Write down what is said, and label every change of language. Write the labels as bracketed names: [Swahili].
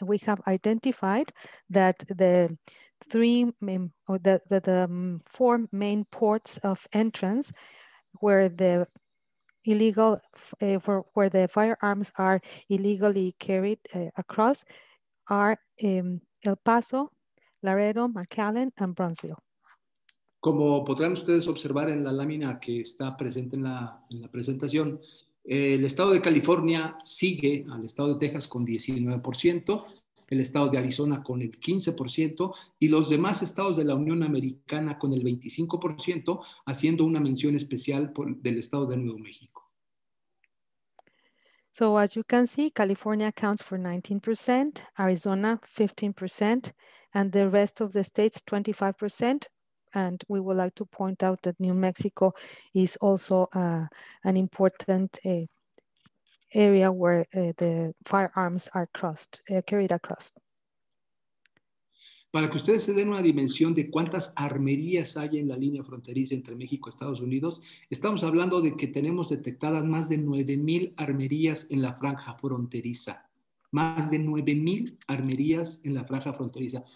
[English] We have identified that the four main ports of entrance where the illegal where the firearms are illegally carried across are El Paso, Laredo, McAllen and Brownsville. [Spanish] Como podrán ustedes observar en la lámina que está presente en la presentación, el estado de California sigue al estado de Texas con 19%. El estado de Arizona con el 15% y los demás estados de la Unión Americana con el 25%, haciendo una mención especial del estado de Nuevo México. [English] So as you can see, California accounts for 19%, Arizona 15%, and the rest of the states 25%, And we would like to point out that New Mexico is also an important area where the firearms are carried across. [Spanish] Para que ustedes se den una dimensión de cuántas armerías hay en la línea fronteriza entre México y Estados Unidos, estamos hablando de que tenemos detectadas más de 9,000 armerías en la franja fronteriza. Más de 9,000 armerías en la franja fronteriza.